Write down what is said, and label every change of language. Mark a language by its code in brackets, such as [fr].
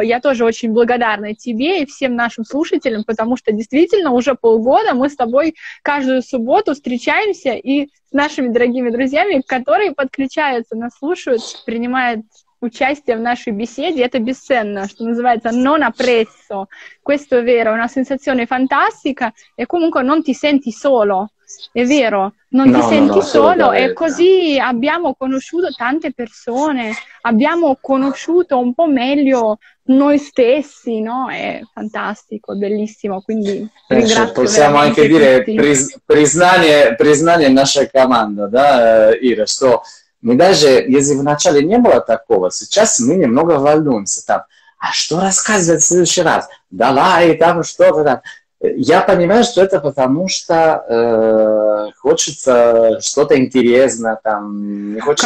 [ru] Я тоже очень благодарна тебе и всем нашим слушателям, потому что действительно уже полгода мы с тобой каждую субботу встречаемся и с нашими дорогими друзьями, которые подключаются, нас слушают, принимают участие в нашей беседе. Это бесценно, что называется [it] «non apprezzo». Questo è vero, una sensazione fantastica e comunque non ti senti solo. È vero, non ti senti solo e così abbiamo conosciuto tante persone, abbiamo conosciuto un po' meglio noi stessi, no? È fantastico, è bellissimo, quindi ringrazio cioè, possiamo anche tutti. [ru] Dire признание наша команда, да, Ира, что мы даже если вначале не было такого, сейчас мы немного волнуемся там, а что рассказывать в следующий раз? Давай там что-то там. Я понимаю, что это потому, что хочется что-то интересное, там, не хочется